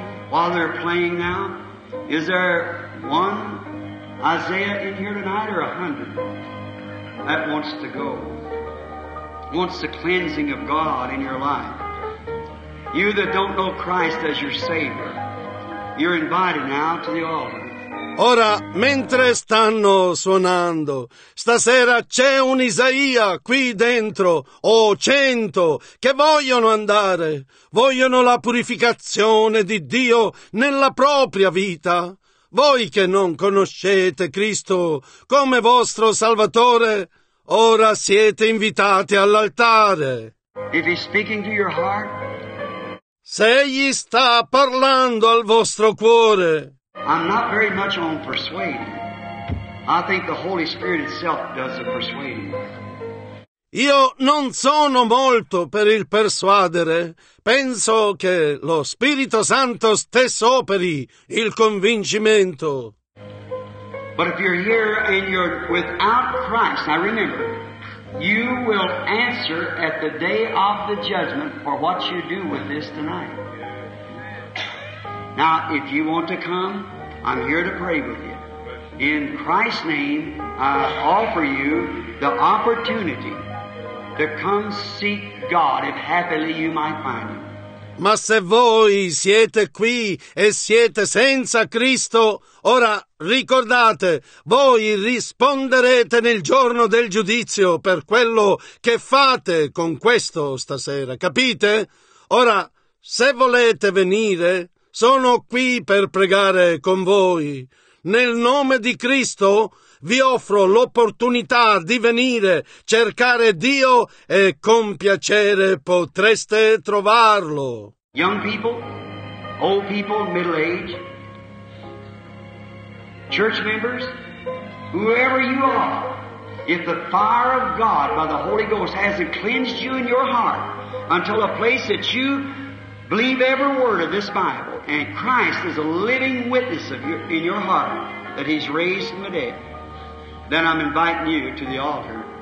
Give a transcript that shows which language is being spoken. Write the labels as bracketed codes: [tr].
[en] While they're playing now, is there one Isaiah in here tonight, or 100 that wants to go, wants the cleansing of God in your life? You that don't know Christ as your Savior, you're invited now to the altar. [it] Ora, mentre stanno suonando, stasera c'è un Isaia qui dentro, o 100, che vogliono andare, vogliono la purificazione di Dio nella propria vita. Voi che non conoscete Cristo come vostro Salvatore, ora siete invitati all'altare. [en] If he's speaking to your heart, [it] se egli sta parlando al vostro cuore, [en] I'm not very much on persuading. I think the Holy Spirit itself does the persuading. [it] Io non sono molto per il persuadere. Penso che lo Spirito Santo stesso operi il convincimento. [en] But if you're here and you're without Christ, now remember, you will answer at the day of the judgment for what you do with this tonight. Now, if you want to come, I'm here to pray with you. In Christ's name, I offer you the opportunity to come seek God if happily you might find him. [it] Ma se voi siete qui e siete senza Cristo, ora ricordate, voi risponderete nel giorno del giudizio per quello che fate con questo stasera, capite? Ora, se volete venire, sono qui per pregare con voi. Nel nome di Cristo vi offro l'opportunità di venire, cercare Dio, e con piacere potreste trovarlo. [en] Young people, old people, middle age, church members, whoever you are, if the fire of God by the Holy Ghost hasn't cleansed you in your heart until a place that you believe every word of this Bible, and Christ is a living witness of your, in your heart that he's raised from the dead, then I'm inviting you to the altar.